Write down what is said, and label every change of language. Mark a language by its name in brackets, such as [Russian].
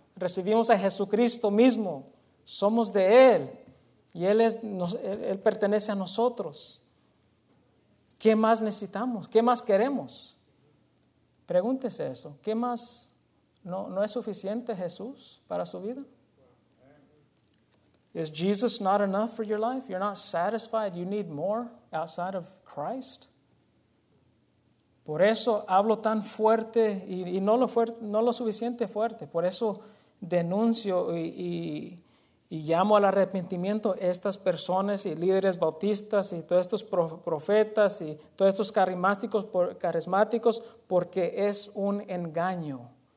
[Spanish] Recibimos a Jesucristo mismo. Somos de Él. Y Él pertenece a nosotros. ¿Qué más necesitamos? ¿Qué más queremos? Pregúntese eso. ¿Qué más? ¿No es suficiente Jesús para su vida? [English] Is Jesus not enough for your life? You're not satisfied. You need more outside of Christ. [Spanish] Por eso hablo tan fuerte y no lo suficiente fuerte. Por eso denuncio y llamo al arrepentimiento estas personas y líderes bautistas y todos estos profetas y todos estos carismáticos, porque es un engaño.